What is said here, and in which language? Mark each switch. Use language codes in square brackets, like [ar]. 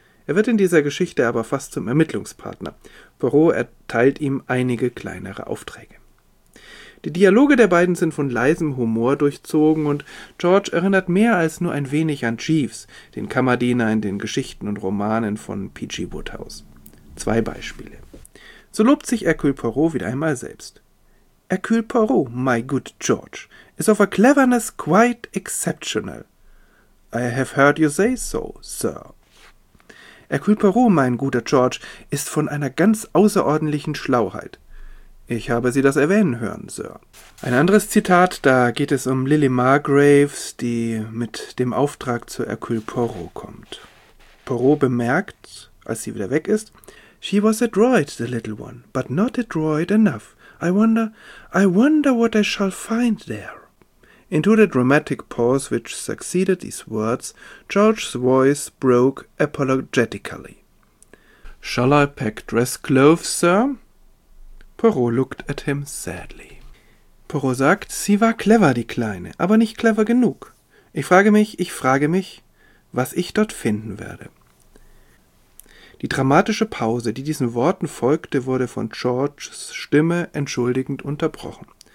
[de] Er wird in dieser Geschichte aber fast zum Ermittlungspartner. Poirot erteilt ihm einige kleinere Aufträge. Die Dialoge der beiden sind von leisem Humor durchzogen und George erinnert mehr als nur ein wenig an Jeeves, den Kammerdiener in den Geschichten und Romanen von P.G. Woodhouse. Zwei Beispiele. So lobt sich Hercule Poirot wieder einmal selbst. [en] Hercule Poirot, my good George, is of a cleverness quite exceptional. I have heard you say so, sir. [de] Hercule Poirot, mein guter George, ist von einer ganz außerordentlichen Schlauheit. Ich habe Sie das erwähnen hören, Sir. Ein anderes Zitat, da geht es um Lily Margraves, die mit dem Auftrag zu Hercule Poirot kommt. Poirot bemerkt, als sie wieder weg ist, [en] She was adroit, the little one, but not adroit enough. I wonder what I shall find there. Into the dramatic pause which succeeded these words, George's voice broke apologetically. Shall I pack dress clothes, Sir? Poirot looked at him sadly. [de] Poirot sagt, sie war clever, die Kleine, aber nicht clever genug. Ich frage mich, was ich dort finden werde. Die dramatische Pause, die diesen Worten folgte, wurde von Georges Stimme entschuldigend unterbrochen.